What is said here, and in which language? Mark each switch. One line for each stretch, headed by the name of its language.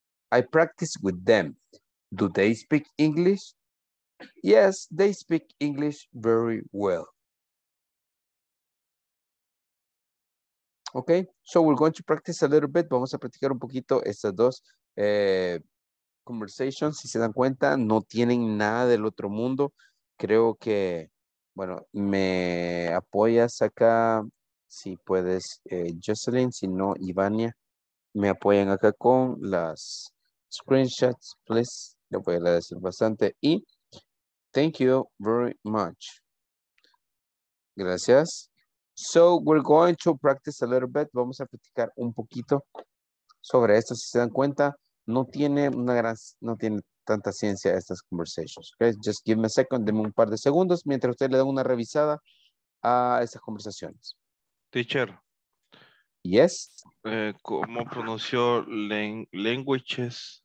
English: I practice with them. Do they speak English? Yes, they speak English very well. Okay, so we're going to practice a little bit.
Spanish: Vamos a practicar un poquito estas dos conversations. Si se dan cuenta, no tienen nada del otro mundo. Creo que, bueno, me apoyas acá, si puedes, Jocelyn, si no, Ivania, me apoyan acá con las
English: screenshots, please.
Spanish: Le voy a agradecer bastante. Y
English: thank you very much.
Spanish: Gracias.
English: So we're going to practice a little bit.
Spanish: Vamos a practicar un poquito sobre esto. Si se dan cuenta, no tiene una gran, no tiene tanta ciencia estas conversations. Okay?
English: Just give me a second,
Spanish: denme un par de segundos mientras usted le da una revisada a estas conversaciones.
English: Teacher. Yes.
Spanish: ¿Cómo pronunció languages?